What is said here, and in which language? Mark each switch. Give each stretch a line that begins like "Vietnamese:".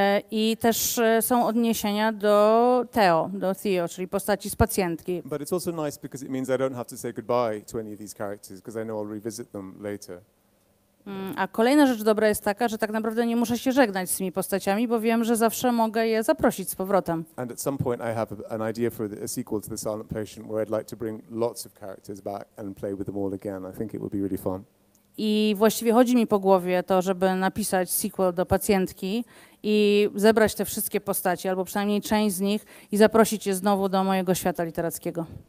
Polish: I też są odniesienia do Theo, do Theo, czyli postaci z pacjentki.
English: But it's also nice because it means I don't have to say goodbye to any of these characters because I know I'll revisit them later.
Polish: A kolejna rzecz dobra jest taka, że tak naprawdę nie muszę się żegnać z tymi postaciami, bo wiem, że zawsze mogę je zaprosić z powrotem.
English: And at some point I have an idea for a sequel to The Silent Patient where I'd like to bring lots of characters back and play with them all again. I think it would be really fun.
Polish: I właściwie chodzi mi po głowie to, żeby napisać sequel do pacjentki i zebrać te wszystkie postaci, albo przynajmniej część z nich i zaprosić je znowu do mojego świata literackiego.